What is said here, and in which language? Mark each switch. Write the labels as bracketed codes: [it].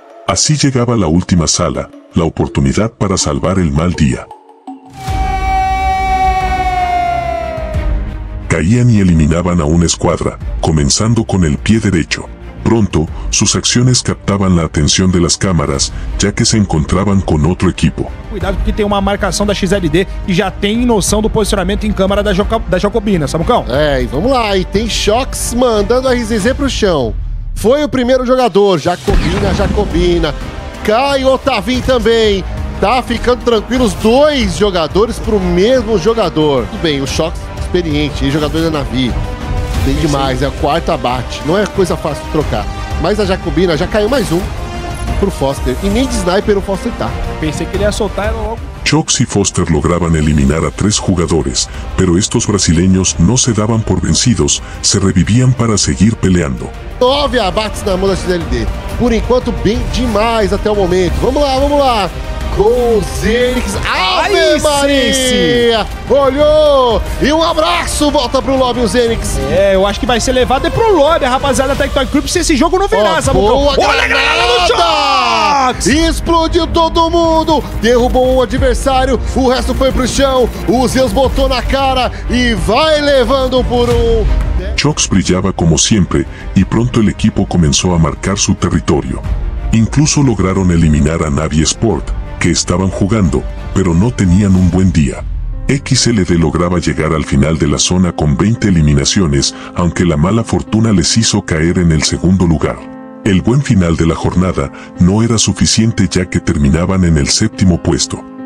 [es] Así llegaba la última sala, la oportunidad para salvar el mal día. Caían y eliminaban a una escuadra, comenzando con el pie derecho. Pronto, sus acciones captaban la atención de las cámaras, ya que se encontraban con otro equipo. [pt] Cuidado porque tem uma marcação da XLD e já tem noção do posicionamento em câmera da Jacobina, Samucão. É, e vamos lá, e tem Chox mandando a RZZ pro chão. Foi o primeiro jogador, Jacobina, Jacobina. Cai o Otavinho também. tá ficando tranquilo, os dois jogadores pro mesmo jogador. Tudo bem, o Shox experiente, jogador da Navi. Bem demais, é o quarto abate. Não é coisa fácil de trocar. Mas a Jacobina já caiu mais um pro Foster. E nem de sniper o Foster tá. Pensei que ele ia soltar ela logo. [es] Shox y Foster lograban eliminar a tres jugadores, pero estos brasileños no se daban por vencidos, se revivían para seguir peleando. [pt] 9 abates na mão da XLD. Por enquanto, bem demais até o momento. Vamos lá, vamos lá. Com o Zenix. Ave Maria! Olhou! E um abraço! Volta pro lobby, o Zenix. É, eu acho que vai ser levado pro lobby, rapaziada, Tectoy Group, se esse jogo não virar, Samuca. Olha a granada do Shox! Explodiu todo mundo! Derrubou um adversário, o resto foi pro chão, o Zeus botou na cara e vai levando por um... Shox brilhava como sempre e pronto o equipo começou a marcar seu território. [es] Incluso lograram eliminar a Navi Sport, que estaban jugando, pero no tenían un buen día. XLD lograba llegar al final de la zona con 20 eliminaciones, aunque la mala fortuna les hizo caer en el segundo lugar. El buen final de la jornada no era suficiente ya que terminaban en el séptimo puesto.